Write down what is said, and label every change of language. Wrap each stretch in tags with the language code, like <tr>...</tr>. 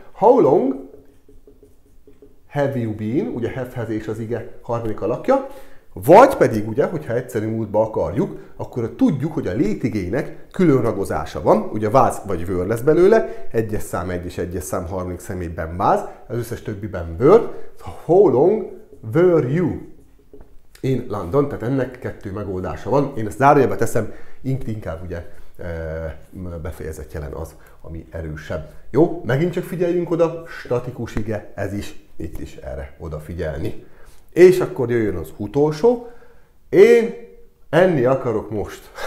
<en>How long have you been,</en> <hu>ugye have-hez és az ige harmadik alakja. Vagy pedig ugye, hogyha egyszerű múltba akarjuk, akkor tudjuk, hogy a létigének külön ragozása van, ugye váz vagy vőr lesz belőle, egyes szám egy és egyes szám harmadik személyben váz, az összes többiben vőr.</hu> <en>How long were you in London?</en> <hu>Tehát ennek kettő megoldása van. Én ezt zárójelbe teszem, inkább ugye befejezett jelen az, ami erősebb. Jó, megint csak figyeljünk oda, statikus ige, ez is, itt is erre odafigyelni. És akkor jöjjön az utolsó. Én enni akarok most.</hu>